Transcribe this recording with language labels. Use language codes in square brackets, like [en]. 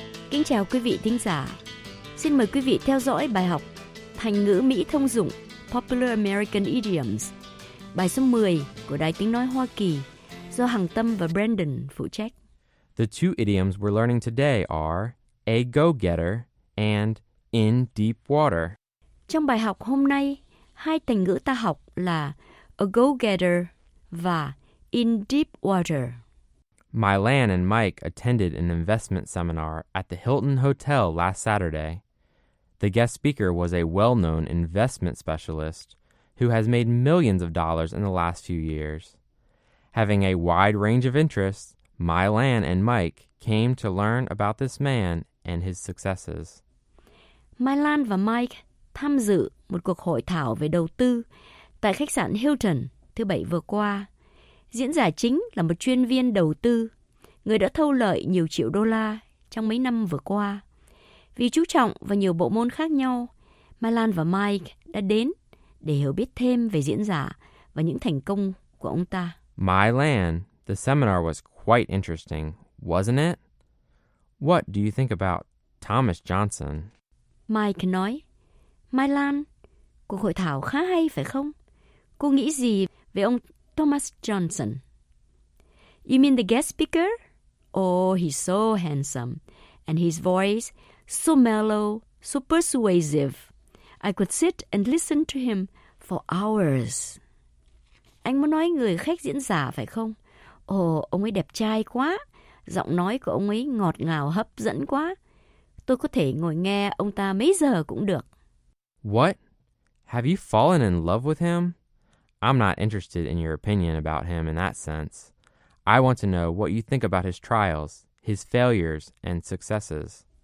[vi] Kính chào quý vị thính giả. Xin mời quý vị theo dõi bài học thành ngữ Mỹ thông dụng Popular American Idioms. Bài số 10 của Đài Tiếng Nói Hoa Kỳ do Hằng Tâm và Brandon phụ trách. [en] The two idioms we're learning today are a go-getter and in deep water. [vi] Trong bài học hôm nay, hai thành ngữ ta học là a go-getter và in deep water. [en] Mylan and Mike attended an investment seminar at the Hilton Hotel last Saturday. The guest speaker was a well-known investment specialist who has made millions of dollars in the last few years. Having a wide range of interests, Mylan and Mike came to learn about this man and his successes. [vi] Mylan và Mike tham dự một cuộc hội thảo về đầu tư tại khách sạn Hilton thứ bảy vừa qua. Diễn giả chính là một chuyên viên đầu tư, người đã thâu lợi nhiều triệu đô la trong mấy năm vừa qua. Vì chú trọng vào nhiều bộ môn khác nhau, Mylan và Mike đã đến để hiểu biết thêm về diễn giả và những thành công của ông ta. [en] Mylan, the seminar was quite interesting, wasn't it? What do you think about Thomas Johnson? [vi] Mike nói, Mylan, cuộc hội thảo khá hay phải không? Cô nghĩ gì về ông Thomas Johnson? [en] You mean the guest speaker? Oh, he's so handsome. And his voice, so mellow, so persuasive. I could sit and listen to him for hours. [vi] Anh muốn nói người khách diễn giả phải không? Ồ, ông ấy đẹp trai quá. Giọng nói của ông ấy ngọt ngào hấp dẫn quá. Tôi có thể ngồi nghe ông ta mấy giờ cũng được. [en] What? Have you fallen in love with him? I'm not interested in your opinion about him in that sense. I want to know what you think about his trials, his failures and successes.